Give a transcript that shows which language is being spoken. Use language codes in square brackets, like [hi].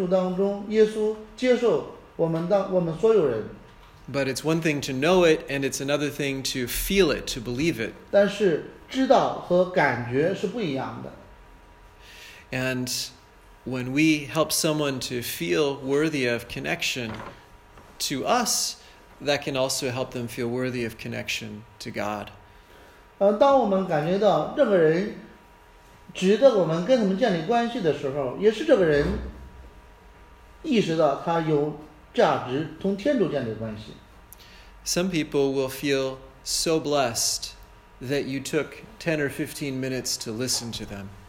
[zh] 当然我们知道在信仰的陈述当中,耶稣接受 [en] But it's one thing to know it, and it's another thing to feel it, to believe it. And when we help someone to feel worthy of connection to us, that can also help them feel worthy of connection to God. [zh] 当我们感觉到这个人值得我们跟他们建立关系的时候，也是这个人意识到他有。 [en] Some people will feel so blessed that you took 10 or 15 minutes to listen to them.